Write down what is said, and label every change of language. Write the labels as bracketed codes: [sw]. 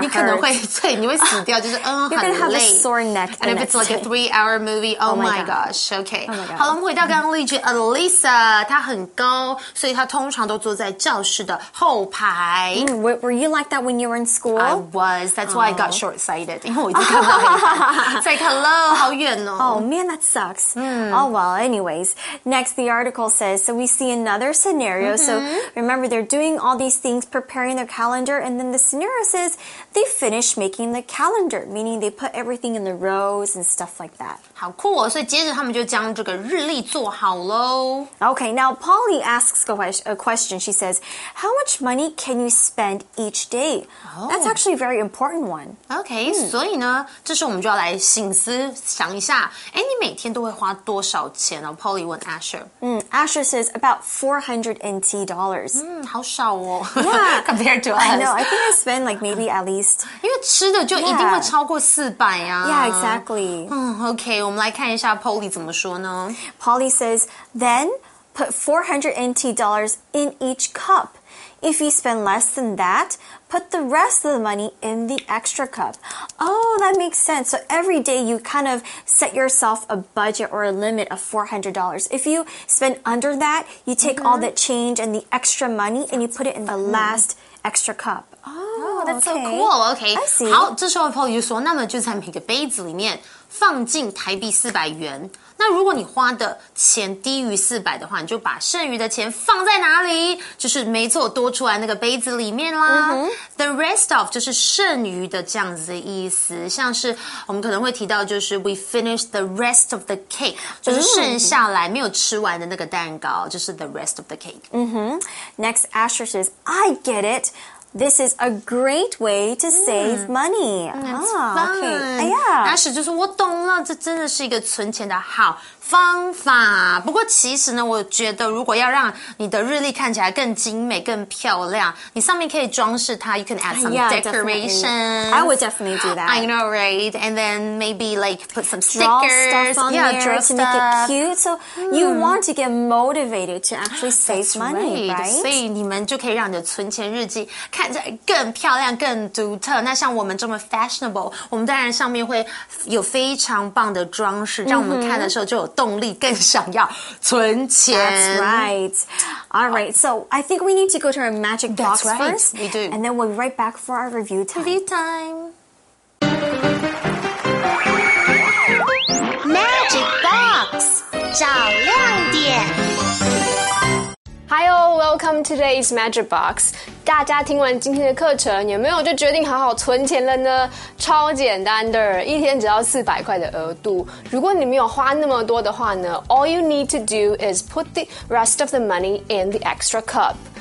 [zh] 你可能会对，你会死掉，就是嗯，很累。 [en] You're gonna have a sore neck. And if it's like a 3-hour movie, oh my gosh. Okay. Oh my God. [zh] 好了，我们回到刚刚例句 ，Alisa 她很高，所以她通常都坐在教室的后排。 [en] Were you like that when you were in school? I was. That's why、oh. I got short-sighted. [zh] 因为我一直看到你。 [en] Say hello. [zh] 好远哦。 [en] Oh man, that sucks.、 Mm. Oh well. Anyways, next the article says. So we see another scenario.、 So remember, they're doing all these things, preparing their calendar, and then the scenario says they finish making the calendar, meaning they put everything in the rows and stuff like that. [zh] 好酷哦，所以接着他们就将这个日历做好咯。 [en] Okay, now Polly asks a question. She says, how much money can you spend each day?、 Oh. That's actually a very important one. Okay,、mm. [zh] 所以呢，这时候我们就要来醒思，想一下，哎，你每天都会花多少钱呢？ Polly 问 Asher.、 [en] Mm, Asher says, about $400 NT. [zh] Mm. 好少哦 [en] yeah, compared to us. I know, I think I spend like maybe at least. [zh] 因为吃的就一定会超过400啊。 [en] Yeah, exactly.、 [zh] 嗯、okay, 我们来看一下 Polly 怎么说呢。 [en] Polly says, then put $400 NT in each cup. If you spend less than that, put the rest of the money in the extra cup. Oh, that makes sense. So every day you kind of set yourself a budget or a limit of $400. If you spend under that, you take、mm-hmm. all that change and the extra money、 That's、 and you put it in the、 funny. Last extra cup. Oh, that's so cool. Okay. I see. [zh] 好，这时候 Paul 就说，那么就在每个杯子里面放进台币400元。那如果你花的钱低于400的话，你就把剩余的钱放在哪里？就是没错，多出来那个杯子里面啦。 Mm-hmm. [en] The rest of [zh] 就是剩余的这样子的意思。像是我们可能会提到，就是 [en] we finish the rest of the cake， [zh] 就是剩下来没有吃完的那个蛋糕，就是 [en] the rest of the cake。 Mm-hmm. Next, Asher says, I get it. This is a great way to save money. That's fun. Yeah. [zh] Ash 就是我懂了，这真的是一个存钱的好方法。不过其实呢，我觉得如果要让你的日历看起来更精美、更漂亮，你上面可以装饰它。 [en] You can add some decorations. Definitely. I would definitely do that. I know, right? And then maybe like put some stickers. Draw stuff on there to make it cute. So you want to get motivated to actually save money, right? [zh] 所以你们就可以让你的存钱日记看起来更漂亮、更独特。那像我们这么 fashionable， 我们当然上面会有非常棒的装饰，让我们看的时候就有动力，更想要存钱。 [en] That's right. All right. So I think we need to go to our magic box first. We do. And then we'll be right back for our review time. Review time. Magic box. [zh] 找亮点。 [en] Hi all, welcome to today's Magic Box. [zh] 大家听完今天的课程，有没有就决定好好存钱了呢？超简单的，一天只要400块的额度。如果你没有花那么多的话呢， [en] All you need to do is put the rest of the money in the extra cup.